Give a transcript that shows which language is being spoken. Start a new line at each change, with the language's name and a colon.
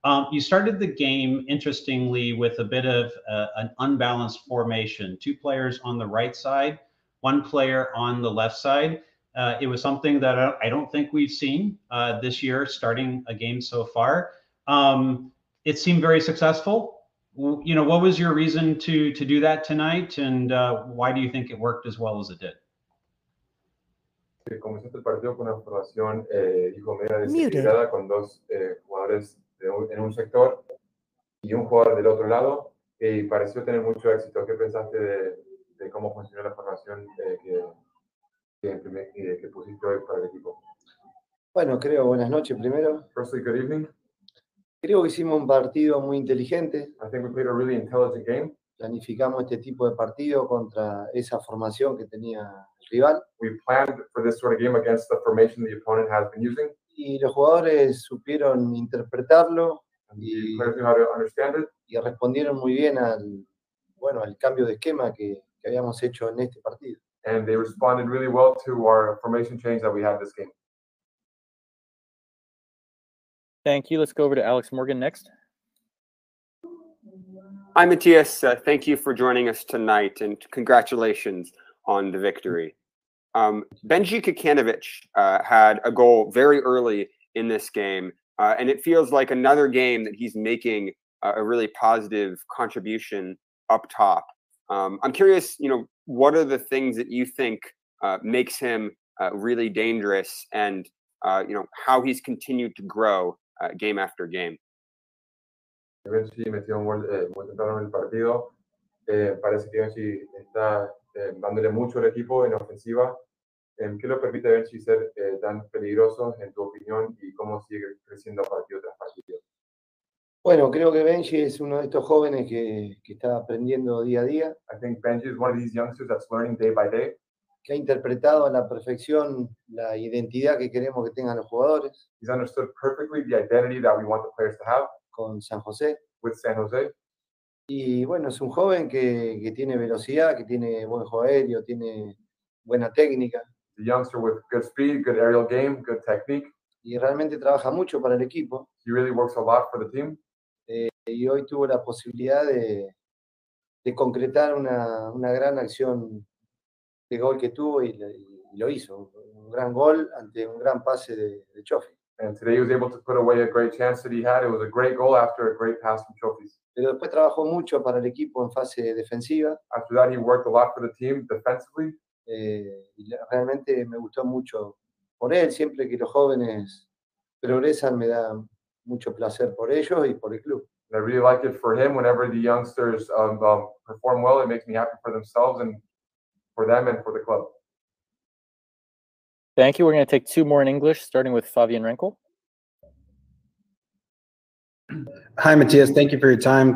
English: You started the game, interestingly, with a bit of an unbalanced formation, two players on the right side, one player on the left side. It was something that I don't think we've seen this year starting a game so far. It seemed very successful. You know, what was your reason to do that tonight, and why do you think it worked as well as it did?
Spanish: Comenzó el partido con una formación, dijo media desequilibrada, con dos jugadores en un sector y un jugador del otro lado, y pareció tener mucho éxito. ¿Qué pensaste de cómo funcionó la formación que pusiste hoy para el equipo? Bueno, creo, buenas noches primero.
English: Firstly, good evening.
Spanish: Creo que hicimos un partido muy inteligente.
English: I think we played a really intelligent game.
Spanish: Planificamos este tipo de partido contra esa formación que tenía el rival.
English: We planned for this sort of game against the formation the opponent has been using.
Spanish: Y los jugadores supieron interpretarlo y,
English: understand it. Y
Spanish: respondieron muy bien al cambio de esquema que habíamos hecho en este partido.
English: And they responded really well to our formation change that we had this game. Thank you. Let's go over to Alex Morgan next. Hi, Matias. Thank you for joining us tonight, and congratulations on the victory. Benji Kikanovic had a goal very early in this game, and it feels like another game that he's making a really positive contribution up top. I'm curious, you know, what are the things that you think makes him really dangerous, and you know, how he's continued to grow game after game.
Spanish: Benji metió un gol muy temprano en el partido. Parece que Benji está dándole mucho al equipo en ofensiva. ¿Qué lo permite Benji ser tan peligroso, en tu opinión, y cómo sigue creciendo partido tras partido? Bueno, creo que Benji es uno de estos jóvenes que está aprendiendo día a día.
English: I think Benji is one of these youngsters that's learning day by day.
Spanish: Que ha interpretado a la perfección la identidad que queremos que tengan los jugadores.
English: He's understood perfectly the identity that we want the players to have.
Spanish: Con San José.
English: With San Jose.
Spanish: Y bueno, es un joven que tiene velocidad, que tiene buen juego aéreo, tiene buena técnica.
English: A youngster with good speed, good aerial game, good technique.
Spanish: Y realmente trabaja mucho para el equipo.
English: He really works a lot for the team.
Spanish: Y hoy tuvo la posibilidad de concretar una gran acción de gol que tuvo y lo hizo. Un gran gol ante un gran pase de Chofis.
English: And today he was able to put away a great chance that he had. It was a great goal after a great pass from Chofis.
Spanish: Pero después trabajó mucho para el equipo en fase defensiva.
English: After that, he worked a lot for the team defensively.
Spanish: Y realmente me gustó mucho por él. Siempre que los jóvenes progresan, me da mucho placer por ellos y por el club.
English: And I really like it for him. Whenever the youngsters perform well, it makes me happy for themselves and for them and for the club. Thank you. We're going to take two more in English, starting with Fabian Renkel. Hi, Matias. Thank you for your time.